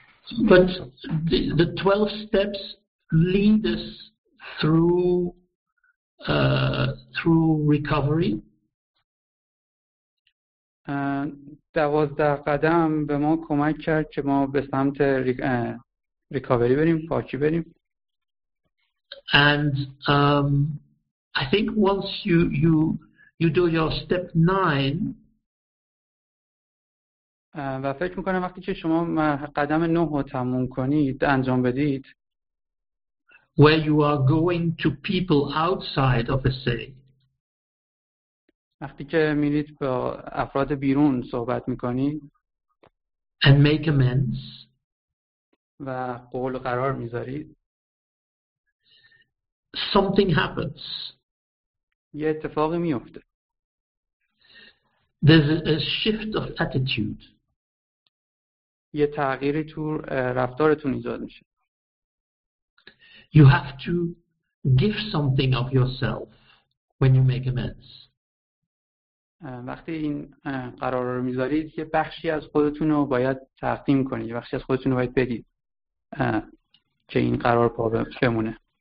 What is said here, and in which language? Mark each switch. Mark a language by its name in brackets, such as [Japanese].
[English] But the 12 steps lead us through recovery. [Persian] 12 قدم به ما کمک کرد که ما به سمت ریکاوری بریم، پاکی بریم. [English] And I think once you do your step 9. [Persian] و فکر میکنم وقتی که شما قدم 9 رو تموم کنید، انجام بدید. [English] Where you are going to people outside of a city. [Persian] وقتی که میرید با افراد بیرون صحبت میکنید. [English] And make amends. [Persian] و قول و قرار میذارید. [English] Something happens. [Persian] یه اتفاقی میفته. [English] There's a shift of attitude. [Persian] یه تغییری تو رفتارتون ایجاد میشه. [English] You have to give something of yourself when you make amends. [Persian] وقتی این قرار رو میذارید یه بخشی از خودتون رو باید تقدیم کنید، یه بخشی از خودتون رو باید بدید که این قرار پا بمونه.